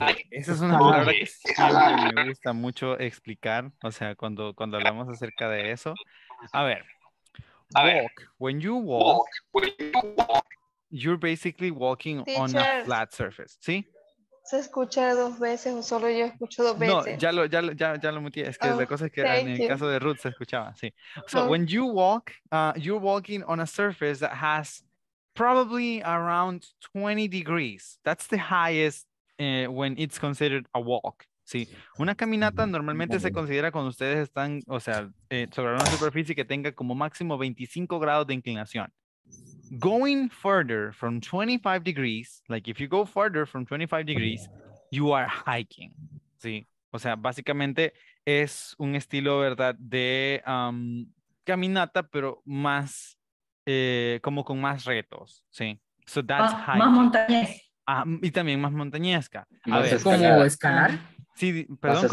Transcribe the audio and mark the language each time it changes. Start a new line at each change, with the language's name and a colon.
Spanish: Esa es una palabra que siempre me gusta mucho explicar, o sea, cuando hablamos acerca de eso.
English: A ver. Walk. When you walk, you're basically walking on a flat surface.
Spanish: ¿Sí? Se escucha dos veces o solo yo escucho dos veces. No, ya lo metí. Es que la cosa es que en el caso de Ruth se escuchaba, sí.
English: So when you walk, you're walking on a surface that has probably around 20 degrees. That's the highest when it's considered a walk.
Spanish: Sí, una caminata normalmente se considera cuando ustedes están, o sea, sobre una superficie que tenga como máximo 25 grados de inclinación.
English: Going further from 25 degrees, like if you go further from 25 degrees, you are hiking.
Spanish: Sí, o sea, básicamente es un estilo, ¿verdad?, de caminata, pero más, como con más retos, sí.
English: So that's hiking.
Spanish: Más montañés. Y también más montañesca. ¿Cómo escalar? Sí, perdón.